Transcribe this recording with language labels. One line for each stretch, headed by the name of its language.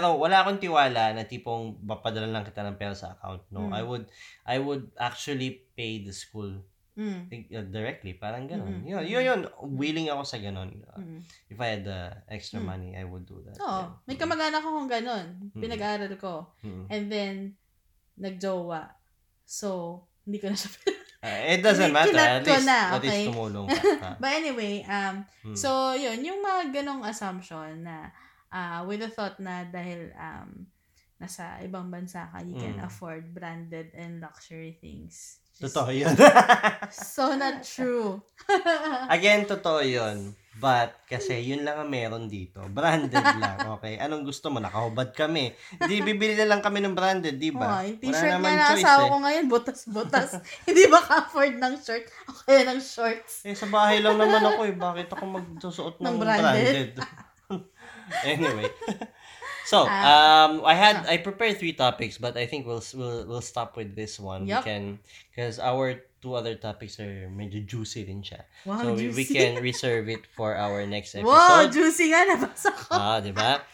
Filipino: Pero wala akong tiwala na tipong papadala lang kita ng pera sa account.
English: No, I would actually pay the school directly.
Filipino: Parang ganun. Yun. Willing ako sa ganun.
English: If I had the extra money, I would do that.
Filipino: Oo.
English: Yeah.
Filipino: May kamag-anak akong ganun. Pinag-aaral ko.
English: And then,
Filipino: nag-jowa. So, hindi ko na siya
English: It doesn't matter. At least
Filipino: tumulong ka.
English: But anyway, so yun, yung mga ganong assumption na with the thought
Filipino: na dahil nasa ibang bansa ka,
English: you can afford branded and luxury things.
Filipino: Totoo yun.
English: So not true. Again,
Filipino: totoo yun. But, kasi yun lang ang meron dito. Branded lang, okay? Anong gusto mo? Nakahubad kami. Di, bibili na lang kami ng branded, di ba? Oh, t-shirt na nakasawa ko ngayon, butas-butas. Hindi ba ka-afford ng shirt? O kaya ng shorts? Eh, sa bahay lang naman ako eh. Bakit ako magsusuot ng branded?
English: Anyway. So, I prepared three topics, but I think we'll stop with this one. Yep. We can, because our two other topics are medyo juicy
Filipino: din siya.
English: Wow, so juicy. We can reserve it for our next episode.
Filipino: Wow, juicy nga, nabasa ko. Ah, diba?